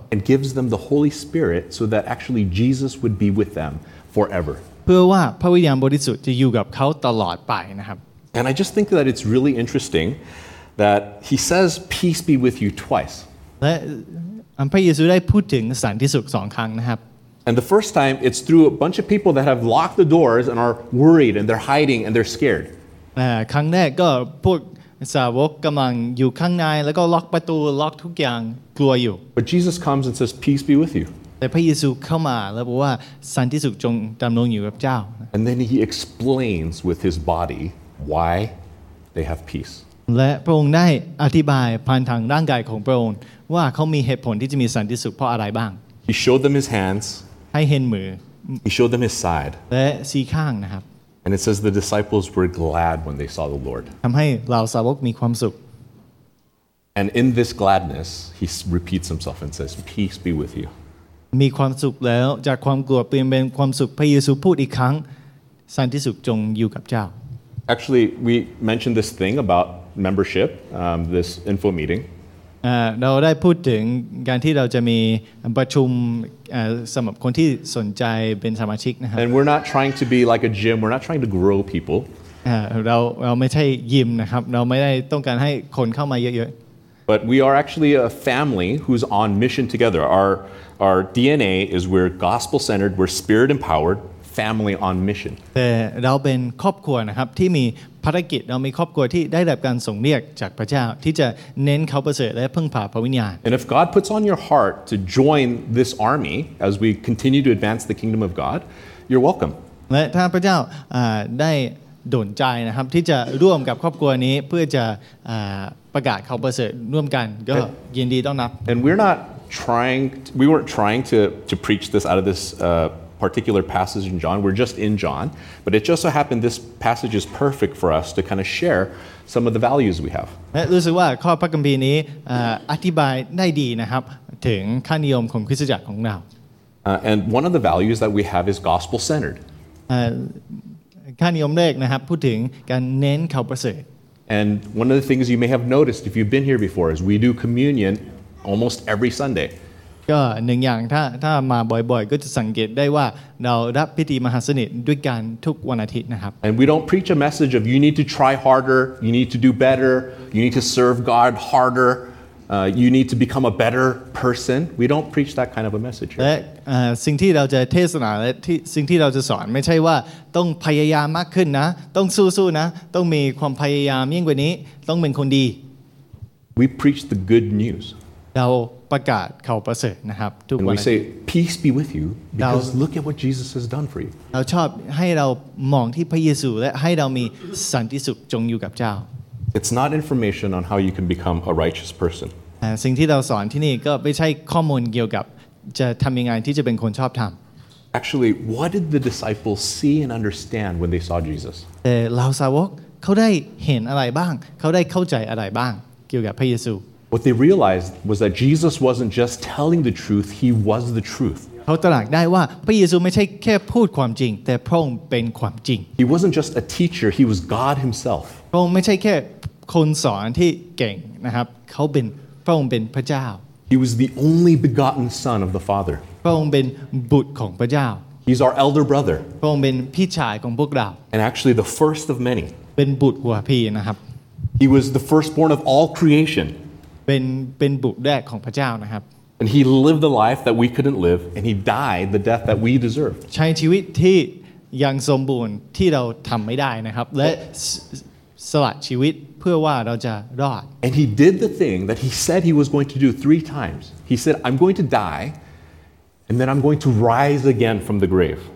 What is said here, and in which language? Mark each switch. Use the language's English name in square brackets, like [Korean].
[English] and gives them the Holy Spirit so that actually Jesus would be with them forever [Thai] เพื่อว่าพระวิญญาณบริสุทธิ์จะอยู่กับเขาตลอดไปนะครับ [English] and I just think that it's really interesting that he says peace be with you twice [Thai] และพระเยซูได้พูดถึงสันติสุขสองครั้งนะครับ [English] and the first time it's through a bunch of people that have locked the doors and are worried and they're hiding and they're scared [Thai] ครั้งแรกก็พวกสาวกกำลังอยู่ข้างในแล้วก็ล็อกประตูล็อกทุกอย่างกลัวอยู่ [English] But Jesus comes and says peace be with you [Thai] แต่พระเยซูเข้ามาแล้วบอกว่าสันติสุขจงดำรงอยู่กับเจ้า [English] And then he explains with his body why they have peace [Thai] และพระองค์ได้อธิบายผ่านทางร่างกายของพระองค์ว่าเขามีเหตุผลที่จะมีสันติสุขเพราะอะไรบ้าง [English] He showed them his hands [Thai] ให้เห็นมือ [English] He showed them his side [Thai] และสีข้างนะครับ [English] And it says the disciples were glad when they saw the Lord. [Thai] ทำให้เหล่าสาวกมีความสุข [English] And in this gladness, he repeats himself and says, "Peace be with you." [Thai] มีความสุขแล้วจากความกลัวเปลี่ยนเป็นความสุขพระเยซูพูดอีกครั้งสันติสุขจงอยู่กับเจ้า [English] Actually, we mentioned this thing about membership, this info meeting. [Thai] เราได้พูดถึงการที่เราจะมีประชุมสำหรับคนที่สนใจเป็นสมาชิกนะครับ [English] And we're not trying to be like a gym. We're not trying to grow people. [Thai] เราไม่ใช่ยิมนะครับเราไม่ได้ต้องการให้คนเข้ามาเยอะ [English] ๆ But we are actually a family who's on mission together. Our DNA is we're gospel centered, we're spirit empowered, family on mission. [Thai] แต่เราเป็นครอบครัวนะครับที่มีภารกิจเรามีครอบครัวที่ได้รับการส่งเรียกจากพระเจ้าที่จะเน้นเขาประเสริฐและพึ่งพาพระวิญญาณ [English] And if God puts on your heart to join this army as we continue to advance the kingdom of God, you're welcome. [Thai] และถ้าพระเจ้าได้ ดลใจนะครับที่จะร่วมกับครอบครัวนี้เพื่อจะประกาศข่าวประเสริฐร่วมกันก็ยินดีต้อนรับ [English] And we're not trying to, we weren't trying to preach this out of this particular passage in John we're just in John but it just so happened this passage is perfect for us to kind of share some of the values we have [Thai] รู้สึกว่าข้อพระคัมภีร์นี้อธิบายได้ดีนะครับถึงค่านิยมของคริสตจักรของเรา [English] And one of the values that we have is gospel-centered. [Thai] ค่านิยมแรกนะครับพูดถึงการเน้นข่าวประเสริฐ [English] And one of the things you may have noticed if you've been here before is we do communion almost every Sunday. [Thai] ก็หนึ่งอย่างถ้ามาบ่อยๆก็จะสังเกตได้ว่าเรารับพิธีมหาสนิทด้วยกันทุกวันอาทิตย์นะครับ [English] And we don't preach a message of you need to try harder, you need to do better, you need to serve God harder. You need to become a better person. We don't preach that kind of a message. [Thai] และสิ่งที่เราจะเทศนาและสิ่งที่เราจะสอนไม่ใช่ว่าต้องพยายามมากขึ้นนะต้องสู้ๆนะต้องมีความพยายามยิ่งกว่านี้ต้องเป็นคนดี [English] We preach the good news. [Thai] เราประกาศข่าวประเสริฐนะครับทุกวัน [English] And we say peace be with you because look at what Jesus has done for you. [Thai] เราชอบให้เรามองที่พระเยซูและให้เรามีสันติสุขจงอยู่กับเจ้า [English] It's not information on how you can become a righteous person. [Thai] สิ่งที่เราสอนที่นี่ก็ไม่ใช่ข้อมูลเกี่ยวกับจะทำยังไงที่จะเป็นคนชอบธรรม [English] Actually, what did the disciples see and understand when they saw Jesus? [Thai] สาวกเขาได้เห็นอะไรบ้างเขาได้เข้าใจอะไรบ้างเกี่ยวกับพระเยซู [English] What they realized was that Jesus wasn't just telling the truth; he was the truth. [Thai] เขาตระหนักได้ว่าพระเยซูไม่ใช่แค่พูดความจริงแต่พระองค์เป็นความจริง [English] He wasn't just a teacher; he was God himself. [Thai] พระองค์ไม่ใช่แค่คนสอนที่เก่งนะครับเขาเป็นพระองค์เป็นพระเจ้า [English] He was the only begotten son of the Father [Thai] พระองค์เป็นบุตรของพระเจ้า [English] He's our elder brother [Thai] พระองค์เป็นพี่ชายของพวกเรา [English] And actually the first of many [Thai] เป็นบุตรหัวพี่นะครับ [English] He was the firstborn of all creation [Thai] เป็นบุตรแรกของพระเจ้านะครับ [English] And he lived the life that we couldn't live and he died the death that we deserved [Thai] ใช้ชีวิตที่ยังสมบูรณ์ที่เราทำไม่ได้นะครับและสละชีวิตเพื่อว่าเราจะรอด [English] And he did the thing that he said he was going to do 3 times. He said I'm going to die and then I'm going to rise again from the grave.